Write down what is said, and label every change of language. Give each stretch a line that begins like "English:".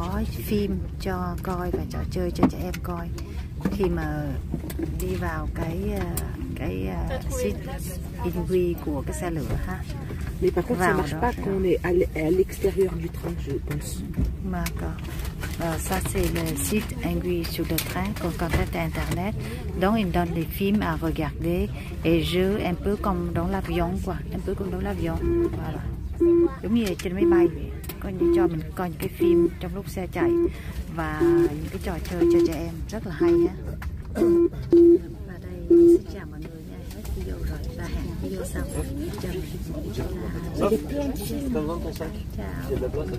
Vietnamese: Phim cho coi và trò chơi cho trẻ em coi. Khi mà đi vào cái seat in view của cái xe lửa ha.
French: Mais par contre, vào ça marche pas quand on est à l'extérieur du train, je pense. D'accord. Ça c'est le site in view sur le train qu'on contacte à internet. Donc ils donnent des films à regarder et jeux un peu comme dans l'avion quoi, un peu comme dans l'avion.
Vietnamese: Voilà. Giống như trên máy bay. Coi như cho mình coi những cái phim trong lúc xe chạy và những cái trò chơi cho trẻ em rất là hay nhé. Và đây xin chào mọi người nha, hết video rồi và hẹn video sau. Chào mọi người.